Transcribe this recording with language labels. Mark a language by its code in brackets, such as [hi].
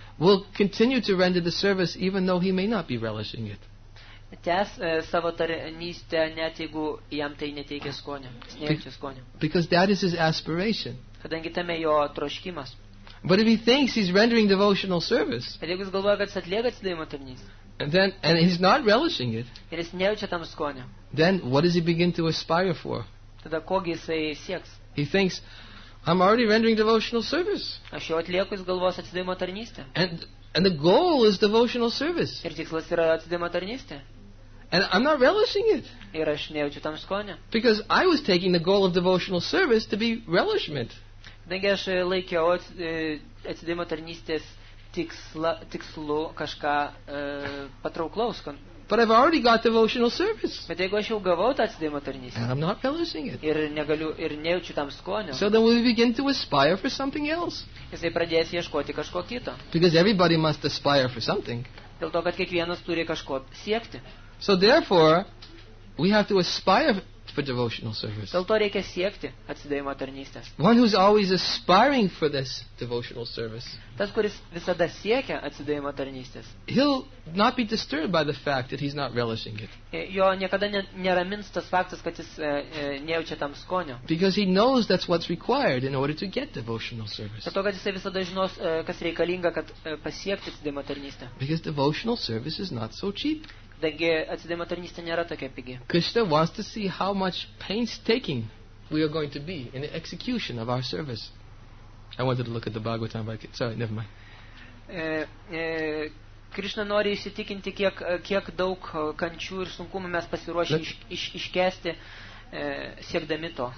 [en] Will continue to render the service even though he may not be relishing it. [lt] Tęs savo tarnystę net jeigu jam tai neteikia skonio, nejaučia skonio. [en] Because that is his aspiration. [lt] Kadangi tame jo troškimas. [en] But if he thinks he's rendering devotional service, [lt] ir jeigu jis galvoja, kad jis atlieka atsidavimo tarnystę, [en] and he's not relishing it, [lt] ir jis nejaučia tam skonio, [en] then what does he begin to aspire for? [lt] Tada kogi jisai sieks? [en] He thinks, I'm already rendering devotional service. [lt] Aš jau atlieku, jis galvos atsidavimo tarnystę. [en] And the goal is devotional service. [lt] Ir tikslas yra atsidavimo tarnystė. [en] And I'm not relishing it. [lt] Ir aš nejaučiu tam skonio. [en] Because I was taking the goal of devotional service to be relishment. [lt] Kadangi aš laikiau atsidavimo tarnystės tikslu kažką patrauklaus, [en] But I've already got devotional service. [lt] Bet jeigu aš jau gavau tą atsidėjimo tarnystę. [en] And I'm not relishing it. [lt] Ir negaliu ir nejaučiu tam skonio. [en] So then we begin to aspire for something else. [lt] Jisai pradės ieškoti kažko kito. [en] Because everybody must aspire for something. [lt] Dėl to, kad kiekvienas turi kažko siekti. [en] So therefore, we have to aspire for devotional service. [lt] Dėl to reikia siekti atsidėjimo tarnystės. [en] One who's always aspiring for this devotional service. [lt] Tas, kuris visada siekia atsidėjimo tarnystės. [en] He'll not be disturbed by the fact that he's not relishing it. [lt] Jo niekada neramins tas faktas, kad jis nejaučia tam skonio. [en] Because he knows that's what's required in order to get devotional service. [lt] Dėl to, kad jisai visada žinos, kas reikalinga, kad pasiekti atsidėjimo tarnystę. [en] Because devotional service is not so cheap. [lt] Taigi atsidėjimo tarnystė nėra tokia pigi. [en] Krishna wants to see how much painstaking we are going to be in the execution of our service. I wanted to look at the Bhagavatam, but sorry, never mind. [lt] Krishna nori įsitikinti, kiek daug kančių ir sunkumų mes pasiruošę iškęsti siekdami to.